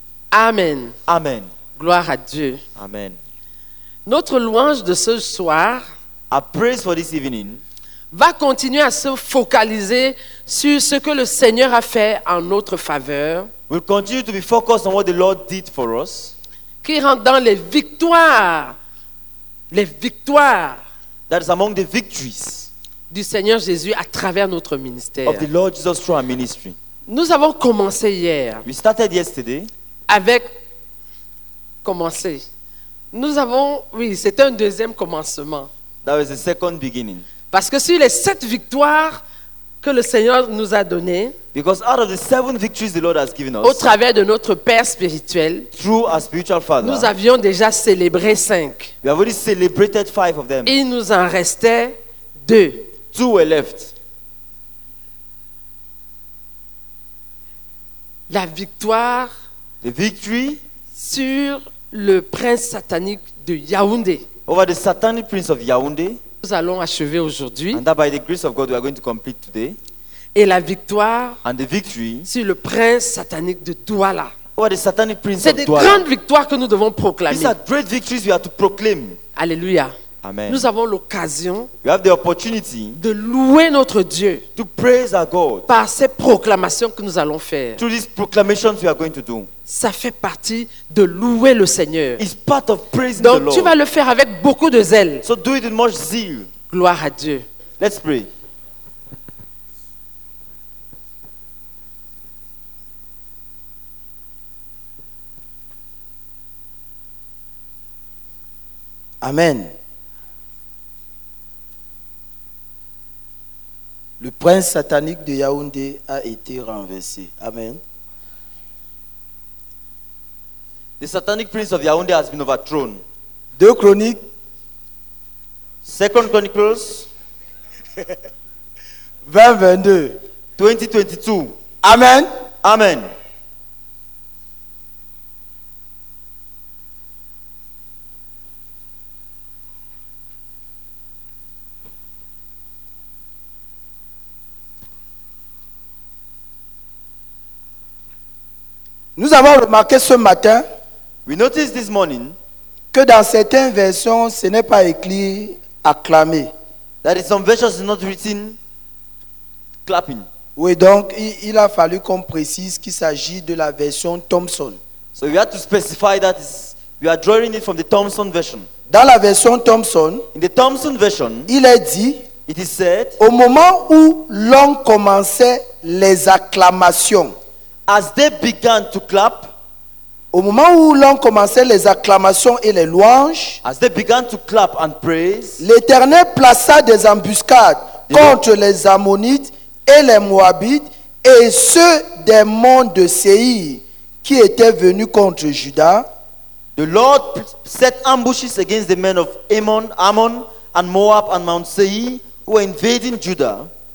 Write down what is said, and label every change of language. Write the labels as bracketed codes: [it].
[fr] Amen. Amen. Gloire à Dieu. Amen. Notre louange de ce soir, [en] a praise for this evening, [fr] va continuer à se focaliser sur ce que le Seigneur a fait en notre faveur. [en] We'll continue to be focused on what the Lord did for us. [fr] Qui rentre dans les victoires. Les victoires. [en] That is among the victories. [fr] Du Seigneur Jésus à travers notre ministère. [en] Of the Lord Jesus through our ministry. [fr] Nous avons commencé hier. [en] We started yesterday. [fr] Avec commencer. Nous avons, oui, c'est un deuxième commencement. [en] That was the second beginning. [fr] Parce que sur les sept victoires que le Seigneur nous a données. [en] Because out of the seven victories the Lord has given us. [fr] Au travers de notre Père spirituel. [en] Through our spiritual father. [fr] Nous avions déjà célébré cinq. [en] We have already celebrated five of them. [fr] Il nous en restait deux. [en] Two were left. [fr] La victoire. [en] The victory. [fr] Sur le prince satanique de Yaoundé. [en] Over the satanic prince of Yaoundé. [fr] Nous allons achever aujourd'hui. [en] And that by the grace of God we are going to complete today. [fr] Et la victoire. [en] And the victory. [fr] Sur le prince satanique de Douala. [en] Over the satanic prince of Douala. [fr] C'est des grandes victoires que nous devons proclamer. [en] These are great victories we have to proclaim. Alléluia. Amen. [fr] Nous avons l'occasion. [en] We have the opportunity. [fr] De louer notre Dieu. [en] To praise our God. [fr] Par ces proclamations que nous allons faire. [en] Through these proclamations we are going to do. [fr] Ça fait partie de louer le Seigneur. [en] It's part of praising [fr] Donc, [en] the Lord. [fr] Donc tu vas le faire avec beaucoup de zèle. [en] So do it with much zeal. [fr] Gloire à Dieu. [en] Let's pray. Amen. [fr] Le prince satanique de Yaoundé a été renversé. Amen. [en] The satanic prince of Yaoundé has been overthrown. [fr] Deux chroniques. [en] Second Chronicles. 2022. 2022. Amen. Amen. [fr] Nous avons remarqué ce matin. [en] We noticed this morning [fr] que dans certaines versions, ce n'est pas écrit acclamer. [en] That in some versions is not written clapping. [fr] Oui, donc il a fallu qu'on précise qu'il s'agit de la version Thomson. [en] So we have to specify that we are drawing it from the Thomson version. [fr] Dans la version Thomson, [en] in the Thomson version, [fr] il est dit, [en] it is said, [fr] au moment où l'on commençait les acclamations, [en] as they began to clap. [fr] Au moment où l'on commençait les acclamations et les louanges, [en] as they began to clap and praise, [fr] l'Éternel plaça des embuscades contre les Ammonites et les Moabites et ceux des monts de Séir qui étaient venus contre Juda. [en] The Lord set ambushes against the men of Ammon and Moab and Mount Seir who were invading Judah.